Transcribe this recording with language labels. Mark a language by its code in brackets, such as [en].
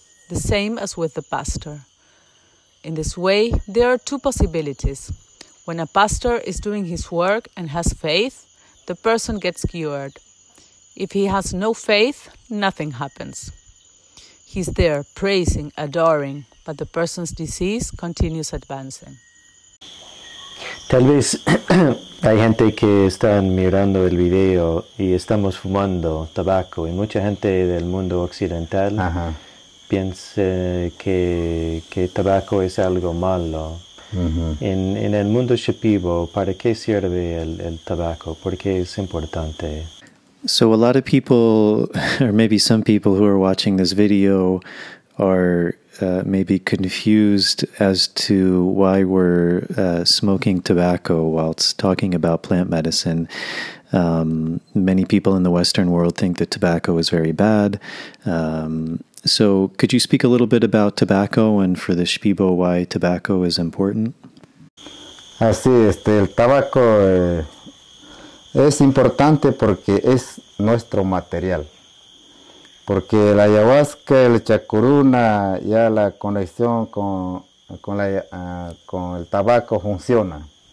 [en] The same as with the pastor. In this way, there are two possibilities. When a pastor is doing his work and has faith, the person gets cured. If he has no faith, nothing happens. He's there praising, adoring, but the person's disease continues advancing. [es] Tal vez hay gente que están mirando el video y estamos fumando tabaco, y mucha gente del mundo occidental piensa que tabaco es algo malo. En el mundo Shipibo, ¿para qué sirve el tabaco? ¿Por qué es importante? [en] So a lot of people, or maybe some people who are watching this video, are maybe confused as to why we're smoking tobacco whilst talking about plant medicine. Many people in the Western world think that tobacco is very bad. So could you speak a little bit about tobacco and for the Shipibo why tobacco is important? [es] Así es, el tabaco es importante porque es nuestro material. Porque la ayahuasca, el chacuruna, ya la conexión con el tabaco funciona.